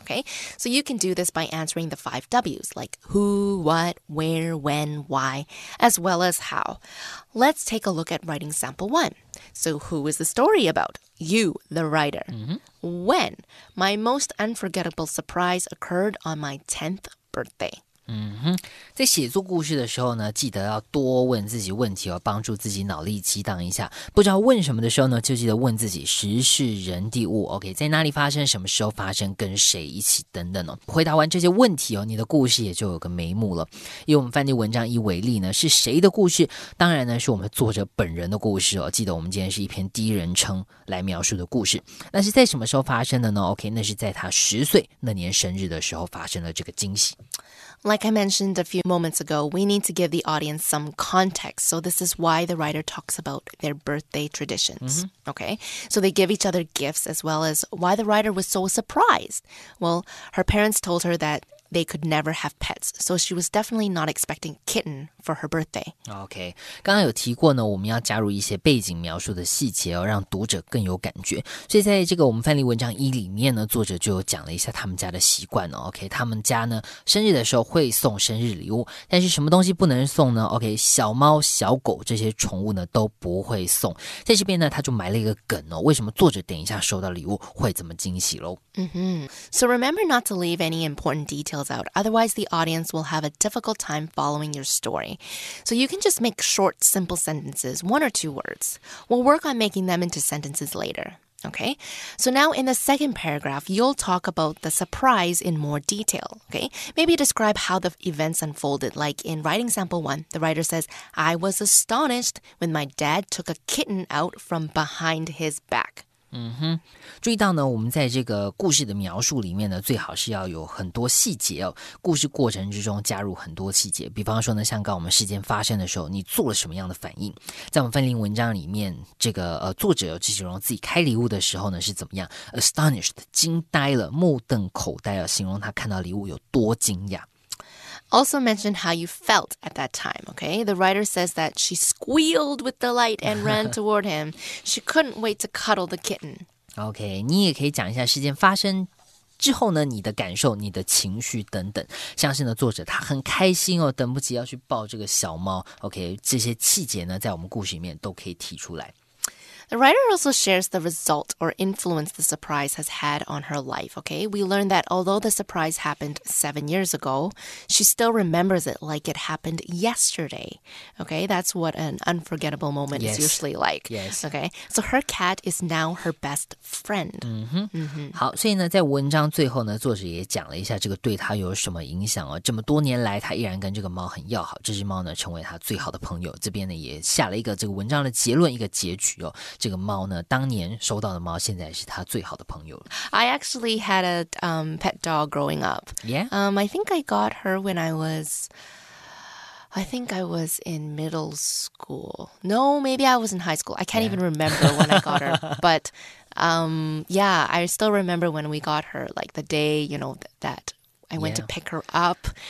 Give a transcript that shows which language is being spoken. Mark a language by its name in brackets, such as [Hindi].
[English] Okay, so you can do this by answering the five W's, like who, what, where, when, why, as well as how. Let's take a look at writing sample one. So who is the story about? You, the writer. Mm-hmm. When? My most unforgettable surprise occurred on my 10th birthday. [Chinese] 嗯哼，在写作故事的时候呢，记得要多问自己问题哦，帮助自己脑力激荡一下。不知道问什么的时候呢，就记得问自己时事人地物。 OK， 在哪里发生，什么时候发生，跟谁一起等等哦。回答完这些问题哦，你的故事也就有个眉目了。以我们范例文章一为例呢，是谁的故事？当然呢，是我们作者本人的故事哦。记得我们今天是一篇第一人称来描述的故事。那是在什么时候发生的呢 ？OK， 那是在他十岁那年生日的时候发生了这个惊喜。 [English] Like I mentioned a few moments ago, we need to give the audience some context. So this is why the writer talks about their birthday traditions. Mm-hmm. Okay, so they give each other gifts as well as why the writer was so surprised. Well, her parents told her that they could never have pets, so she was definitely not expecting kitten for her birthday. [Chinese] Okay, 刚刚有提过呢，我们要加入一些背景描述的细节哦，让读者更有感觉。所以在这个我们范例文章一里面呢，作者就有讲了一下他们家的习惯哦。 Okay, 他们家呢生日的时候会送生日礼物，但是什么东西不能送呢 ？Okay, 小猫、小狗这些宠物呢都不会送。在这边呢，他就埋了一个梗哦，为什么作者等一下收到礼物会这么惊喜喽？ [English] So remember not to leave any important details out, otherwise the audience will have a difficult time following your story. So you can just make short, simple sentences, one or two words. We'll work on making them into sentences later. Okay? So now in the second paragraph, you'll talk about the surprise in more detail. Okay? Maybe describe how the events unfolded. Like in writing sample one, the writer says, I was astonished when my dad took a kitten out from behind his back. [Chinese] 嗯哼，注意到呢，我们在这个故事的描述里面呢，最好是要有很多细节哦。故事过程之中加入很多细节，比方说呢，像刚刚我们事件发生的时候，你做了什么样的反应？在我们范例文章里面，这个作者有形容自己开礼物的时候呢是怎么样 ？Astonished， 惊呆了，目瞪口呆啊，形容他看到礼物有多惊讶。 [English] Also mention how you felt at that time, okay? The writer says that she squealed with delight and ran toward him. She couldn't wait to cuddle the kitten. [Chinese] Okay, 你也可以讲一下事件发生之后呢，你的感受、你的情绪等等。像是呢，作者他很开心哦，等不及要去抱这个小猫。 Okay, 这些细节呢，在我们故事里面都可以提出来。 [English] The writer also shares the result or influence the surprise has had on her life, okay? We learn that although the surprise happened 7 years ago, she still remembers it like it happened yesterday, okay? That's what an unforgettable moment yes. is usually like, yes. okay? So her cat is now her best friend. Mm-hmm. [Chinese] 好，所以呢，在文章最后呢，作者也讲了一下这个对他有什么影响哦。这么多年来，他依然跟这个猫很要好，这只猫呢，成为他最好的朋友。这边呢，也下了一个这个文章的结论，一个结局哦。这个猫呢，当年收到的猫，现在是他最好的朋友。 [English] I actually had a pet dog growing up. Yeah. I think I got her when I was in middle school. No, maybe I was in high school. I can't even remember when I got her. But I still remember when we got her, like the day, you know, that I went to pick her up.